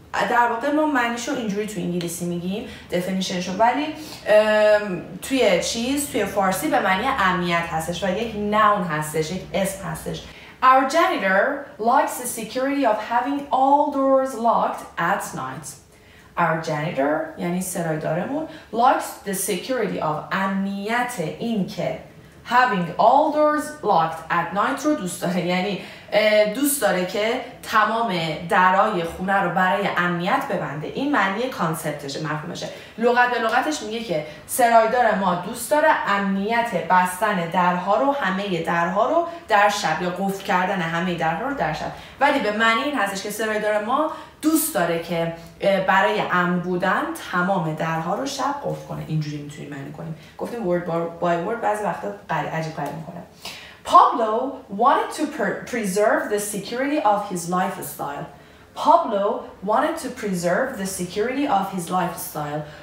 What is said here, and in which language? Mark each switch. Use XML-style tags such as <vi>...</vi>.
<fa>در واقع ما معنیشو اینجوری تو انگلیسی میگیم definitionشو، ولی توی چیز توی فارسی به معنی امنیت هستش و یک noun هستش، یک اسم هستش.</fa> <en>Our janitor likes the security of having all doors locked at night. Our janitor</en> <fa>یعنی سرایدارمون</fa> <en>likes the security of</en> <fa>امنیت این که</fa> <en>having all doors locked at night</en> <fa>رو دوست داره، یعنی دوست داره که تمام درهای خونه رو برای امنیت ببنده. این معنی کانسپتشه، مفهومشه. لغت به لغتش میگه که سرایدار ما دوست داره امنیت بستن درها رو، همه درها رو در شب، یا قفل کردن همه درها رو در شب. ولی به معنی این هستش که سرایدار ما دوست داره که برای امن بودن تمام درها رو شب قفل کنه. اینجوری میتونیم معنی کنیم. گفتیم word by word بعضی وقتا عجیب قریب میکنه.</fa> <en>Pablo wanted to preserve the security of his lifestyle.</en>